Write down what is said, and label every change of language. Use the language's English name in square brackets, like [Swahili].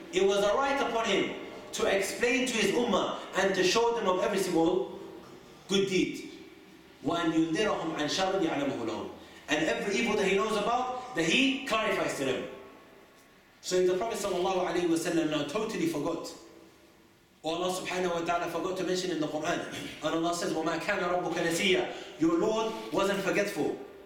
[English] It was a right upon him to explain to his ummah and to show them of every single good deed. [Arabic] وأن ينذرهم عن شر يعلمه لهم. [English] And every evil that he knows about, that he clarifies to them. So if the Prophet sallallahu alayhi wa sallam now totally forgot, or Allah subhanahu wa ta'ala forgot to mention in the Quran, and Allah says, وَمَا كَانَ رَبُّكَ نَسِيًّا, your Lord wasn't forgetful.